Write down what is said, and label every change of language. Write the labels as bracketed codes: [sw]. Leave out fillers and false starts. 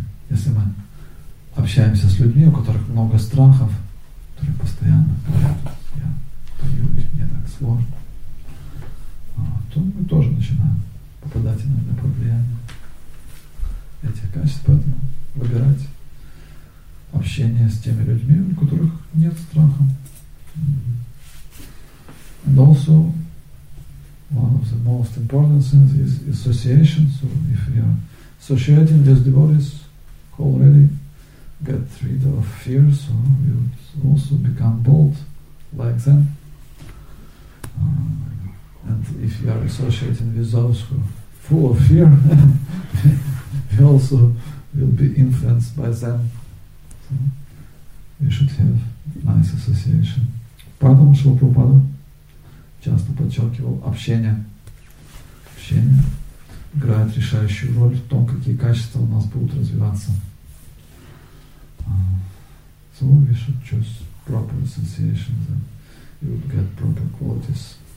[ru] Если мы общаемся с людьми, у которых много страхов, которые постоянно говорят, я боюсь, мне так сложно, то мы тоже начинаем попадать иногда под влияние этих качеств. Поэтому выбирать общение с теми людьми, у которых нет страха. [en] And also, one of the most important things is association. So if we are associating with devotees, already get rid of fear, so we would also become bold like them. And if you are associating with those who are full of fear, we also will be influenced by them. So we should have nice association. [ru] Padam Shri Prabhupada часто подчеркивал, общение играет решающую роль в том, какие качества у нас будут развиваться. [en] So we should choose proper associations and you would get proper qualities.